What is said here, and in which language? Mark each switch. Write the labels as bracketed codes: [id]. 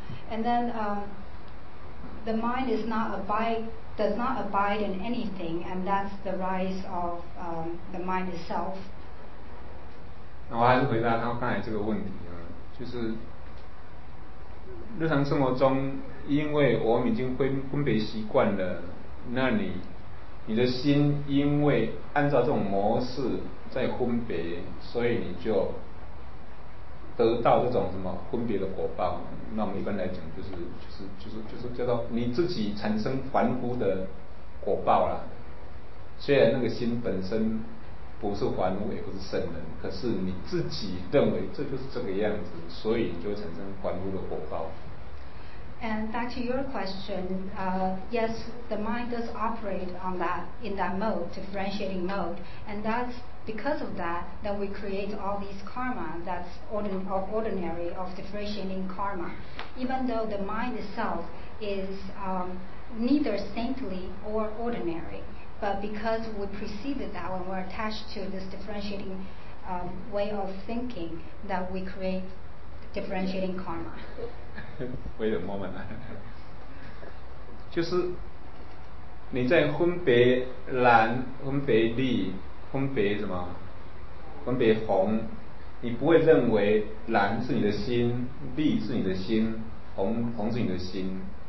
[en] And then the mind is not abide, does not abide in anything, and that's the rise of the mind itself. [zh] 我还是回答他刚才这个问题。就是日常生活中，因为我们已经分别习惯了，那你的心因为按照这种模式在分别，所以你就得到这种什么分别的果报。那我们一般来讲就是叫做你自己产生凡夫的果报啦。虽然那个心本身不是凡夫，也不是圣人，可是你自己认为这就是这个样子，所以你就会产生凡夫的果报。 [en] And back to your question, yes, the mind does operate on that, in that mode, differentiating mode, and that's because of that, that we create all these karma that's ordinary of differentiating karma. Even though the mind itself is neither saintly or ordinary, but because we perceive it that when we're attached to this differentiating way of thinking, that we create differentiating karma. Wait a moment. [zh] 就是你在分别蓝、分别绿、分别什么、分别红，你不会认为蓝是你的心，绿是你的心，红是你的心。